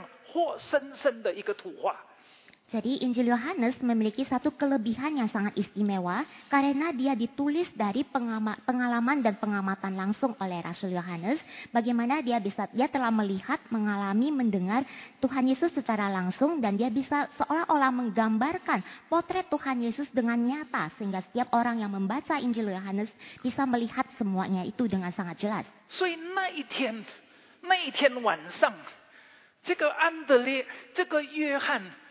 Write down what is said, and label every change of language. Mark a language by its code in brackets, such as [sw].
[zh] 把耶稣的画像画出来，使你记不得，一定要去看，要去等，要去听，要去摸，要去经历的那一个情况。这个是约翰，使徒约翰年轻的约翰，把约翰福音写成这样活生生的一个图画。 [id] Jadi Injil Yohanes memiliki satu kelebihan yang sangat istimewa karena dia ditulis dari pengalaman dan pengamatan langsung oleh Rasul Yohanes. Bagaimana dia telah melihat, mengalami, mendengar Tuhan Yesus secara langsung dan dia bisa seolah-olah menggambarkan potret Tuhan Yesus dengan nyata sehingga setiap orang yang membaca Injil Yohanes bisa melihat semuanya itu dengan sangat jelas. [zh] Jadi, na itian晚上，这个安德烈，这个约翰。